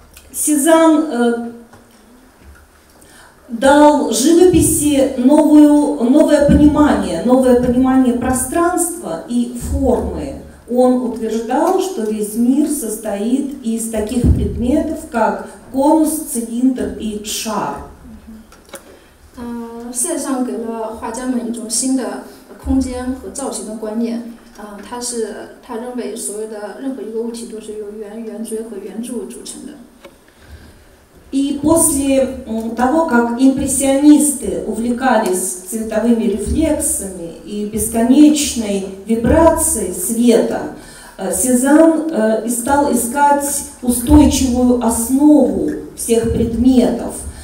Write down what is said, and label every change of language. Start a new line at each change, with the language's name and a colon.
Russian: Сезанн дал живописи новое понимание пространства и формы. Он утверждал, что весь мир состоит из таких предметов, как конус, цилиндр и шар.
Chinese: Сезанн 给了画家们一种新的空间和造型的观念，他认为所有的任何一个物体都是由圆锥和圆柱组成的。
Russian: И после того, как импрессионисты увлекались цветовыми рефлексами и бесконечной вибрацией света, Сезанн стал искать устойчивую основу всех предметов.